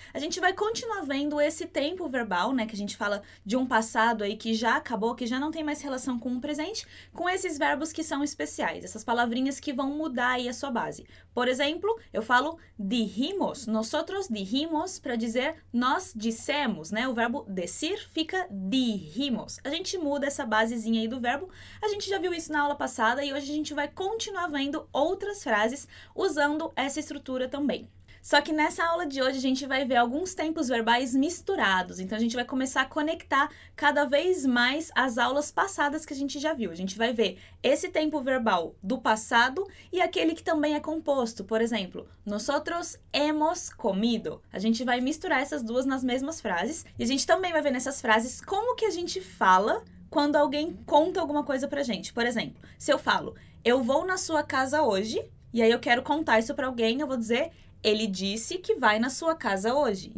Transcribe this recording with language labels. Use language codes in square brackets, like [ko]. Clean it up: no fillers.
[pt] A gente vai continuar vendo esse tempo verbal, né, que a gente fala de um passado aí que já acabou, que já não tem mais relação com o presente, com esses verbos que são especiais, essas palavrinhas que vão mudar aí a sua base. Por exemplo, eu falo [es] dijimos, nosotros dijimos, [pt] para dizer nós dissemos, né? O verbo decir fica dijimos. A gente muda essa basezinha aí do verbo. A gente já viu isso na aula passada e hoje a gente vai continuar vendo outras frases usando essa estrutura também. Só que nessa aula de hoje a gente vai ver alguns tempos verbais misturados. Então a gente vai começar a conectar cada vez mais as aulas passadas que a gente já viu. A gente vai ver esse tempo verbal do passado e aquele que também é composto. Por exemplo, [es] nosotros hemos comido. [pt] A gente vai misturar essas duas nas mesmas frases. E a gente também vai ver nessas frases como que a gente fala quando alguém conta alguma coisa pra gente. Por exemplo, se eu falo, eu vou na sua casa hoje, e aí eu quero contar isso pra alguém, eu vou dizer, ele disse que vai na sua casa hoje.